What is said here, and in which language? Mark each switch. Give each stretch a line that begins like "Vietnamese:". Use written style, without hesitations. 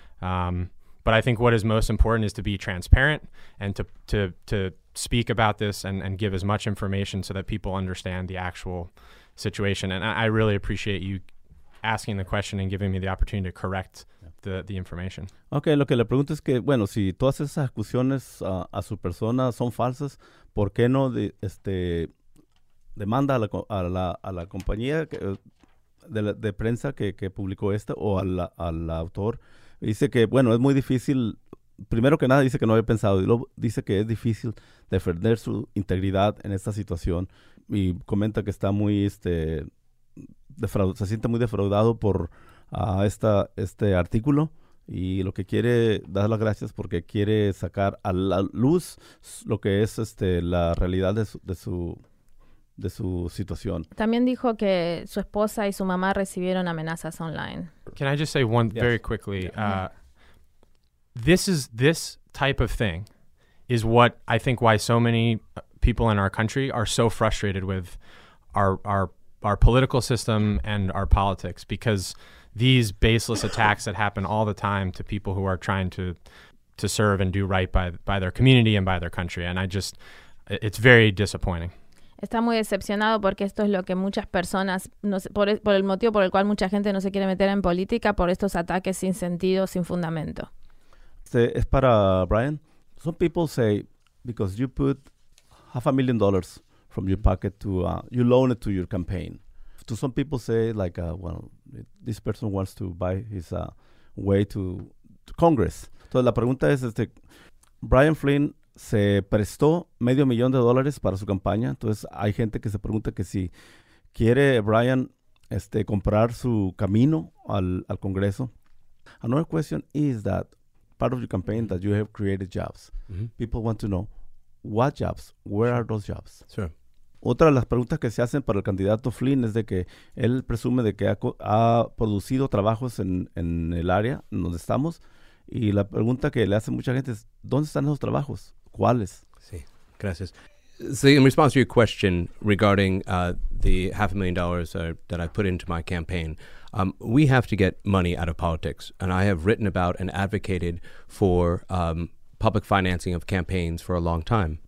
English: But I think what is most important is to be transparent and to speak about this and give as much information so that people understand the actual situation. And I really appreciate you asking the question and giving me the opportunity to correct the information.
Spanish: Okay, lo que le pregunto es que, bueno, si todas esas acusaciones a su persona son falsas, ¿por qué no demanda a la compañía de prensa que publicó esta, o al autor? Dice que, bueno, es muy difícil. Primero que nada, dice que no había pensado, y luego dice que es difícil defender su integridad en esta situación, y comenta que está muy se siente muy defraudado por este artículo, y lo que quiere dar las gracias porque quiere sacar a la luz lo que es la realidad de su situación. También dijo que su esposa y su mamá recibieron amenazas online.
English: Can I just say one very quickly? This type of thing is what I think why so many people in our country are so frustrated with our political system and our politics, because these baseless attacks that happen all the time to people who are trying to serve and do right by their community and by their country. And I just It's very disappointing.
Spanish: Está muy decepcionado porque esto es lo que muchas personas, no sé, por el motivo por el cual mucha gente no se quiere meter en política, por estos ataques sin sentido, sin fundamento. Este es para Brian.
English: Some people say, because you put $500,000 from your pocket to, you loan it to your campaign. To some people say, like, this person wants to buy his way to Congress.
Spanish: Entonces la pregunta es, Brian Flynn se prestó $500,000 para su campaña. Entonces hay gente que se pregunta que si quiere Brian comprar su camino al Congreso.
English: Another question is that part of your campaign that you have created jobs. Mm-hmm. People want to know, what jobs? Where are those jobs? Sure.
Spanish: Otra de las preguntas que se hacen para el candidato Flynn es de que él presume de que ha producido trabajos en el área en donde estamos. Y la pregunta que le hace mucha gente es, ¿dónde están esos trabajos? ¿Cuáles? Sí, gracias.
English: So in response to your question regarding the $500,000 that I put into my campaign, we have to get money out of politics. And I have written about and advocated for public financing of campaigns for a long time.